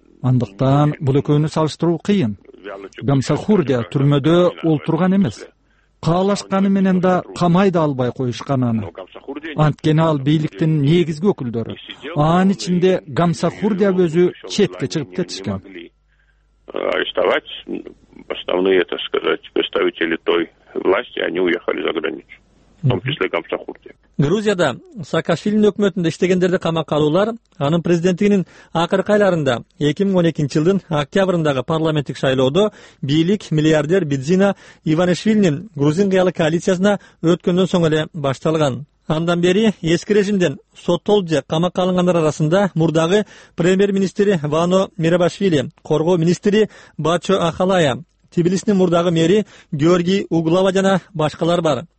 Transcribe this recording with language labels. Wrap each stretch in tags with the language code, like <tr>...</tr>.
<ky>Андыктан бул экөөнү салыштыруу кыйын. Гамсахурдия түрмөдө олтурган эмес. Каалашканы менен да камай да албай коюшкан аны. Анткени ал бийликтин негизги өкүлдөрү. Анын ичинде Гамсахурдия өзү четке чыгып кетишкен.</ky> <ru>Арестовать основные, так сказать, представители той власти, они уехали за границу. В том числе Гамсахурдия.</ru> <ky>Грузияда Саакашвилинин өкмөтүндө иштегендерди камакка алуулар анын президенттигинин акыркы айларында 2012 жылдын октябрындагы парламенттик шайлоодо бийлик миллиардер Бидзина Иванишвилинин грузин кыялы коалициясына өткөндөн соң эле башталган. Андан бери эски режимден соттолуп же камакка алынгандар арасында мурдагы премьер-министри Вано Мирабашвили, коргоо министри Бачо Ахалая, Тбилисинин мурдагы мэри Георгий Углава жана башкалар бар.</ky>